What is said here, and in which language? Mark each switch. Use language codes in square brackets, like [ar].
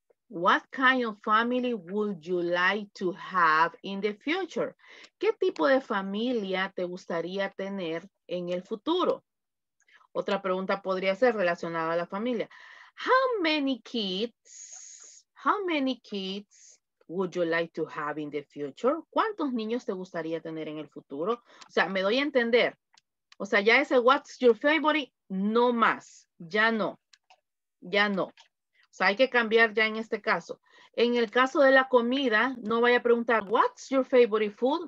[en] What kind of family would you like to have in the future? [es] ¿Qué tipo de familia te gustaría tener en el futuro? Otra pregunta podría ser relacionada a la familia. [en] How many kids would you like to have in the future? [es] ¿Cuántos niños te gustaría tener en el futuro? O sea, me doy a entender. O sea, ya ese [en] what's your favorite, [es] no más. Ya no. Ya no. O sea, hay que cambiar ya en este caso. En el caso de la comida, no vaya a preguntar [en] what's your favorite food.